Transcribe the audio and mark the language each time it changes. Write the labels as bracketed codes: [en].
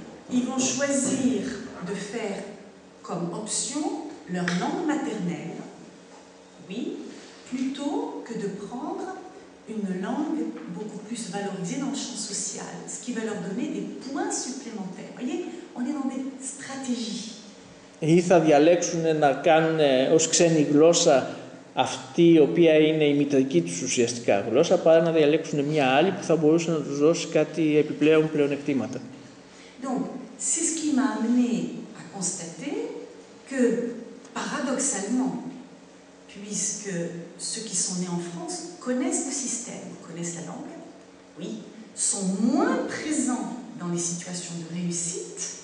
[fr] Ils vont choisir de faire comme option leur langue maternelle, oui, plutôt que de prendre une langue beaucoup plus valorisée dans le champ social, ce qui va leur donner des points supplémentaires. Vous voyez, on est dans des stratégies. [el] Ή θα διαλέξουν να κάνουν ως ξένη γλώσσα αυτή η οποία είναι η μητρική τους ουσιαστικά γλώσσα, παρά να διαλέξουν μια άλλη που θα μπορούσε να τους δώσει κάτι επιπλέον πλεονεκτήματα. [fr] Donc, c'est ce qui m'a amené à constater que, paradoxalement, puisque ceux qui sont nés en France connaissent le système, connaissent la langue, oui, sont moins présents dans les situations de réussite,